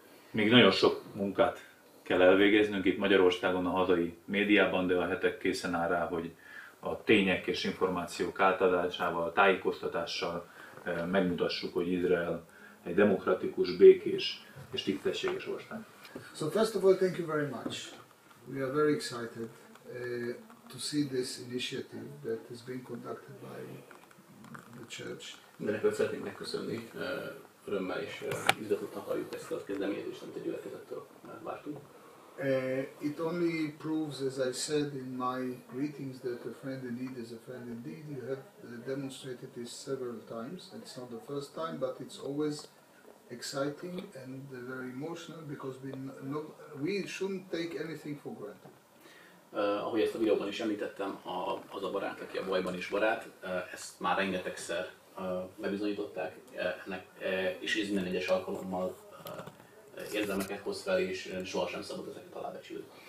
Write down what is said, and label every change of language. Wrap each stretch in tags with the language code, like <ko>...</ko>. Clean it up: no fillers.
<hu>Még nagyon sok munkát kell elvégeznünk itt Magyarországon, a hazai médiában, de a Hetek készen áll rá, hogy a tények és információk átadásával, tájékoztatással megmutassuk, hogy Izrael egy demokratikus, békés és tisztességes ország.</hu> <en>So first of all, thank you very much. We are very excited to see this initiative that is being conducted by the church.</en> <hu>Mindenekről szeretnénk megköszönni, örömmel és izgatottan halljuk ezt a kezdeményezést, amit a gyülekezettől vártunk.</hu> <en>It only proves, as I said in my greetings, that a friend in need is a friend indeed. You have demonstrated this several times. It's not the first time, but it's always exciting and very emotional because we shouldn't take anything for granted.</en> <hu>Ahogy ezt a videóban is említettem, az a barát, aki a bajban is barát, ezt már rengetegszer bebizonyították ennek, és ez minden egyes alkalommal érzelmeket hoz fel, és sohasem szabad ezeket alábecsülni.</hu>